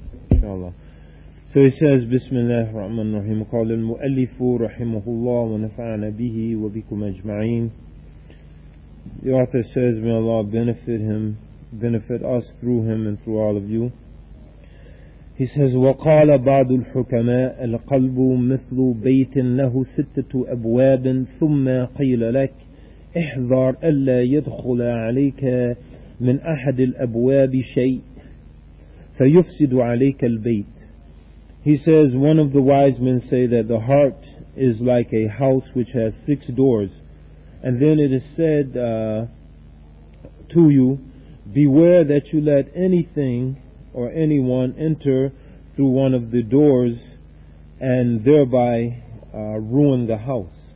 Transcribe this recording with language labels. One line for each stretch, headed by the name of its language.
English: Inshallah. So he says, Bismillah ar-Rahman ar-Rahim.
Arabic: قال المؤلف رحمه الله ونفعنا به وبكم أجمعين.
English: The author says, may Allah benefit him, benefit us through him and through all of you. He says,
Arabic: وقال بعض الحكماء القلب مثل بيت له ستة أبواب ثم قيل لك احذر ألا يدخل عليك من أحد الأبواب شيء فيفسد عليك البيت.
English: He says, one of the wise men say that the heart is like a house which has six doors. And then it is said to you, beware that you let anything or anyone enter through one of the doors and thereby ruin the house.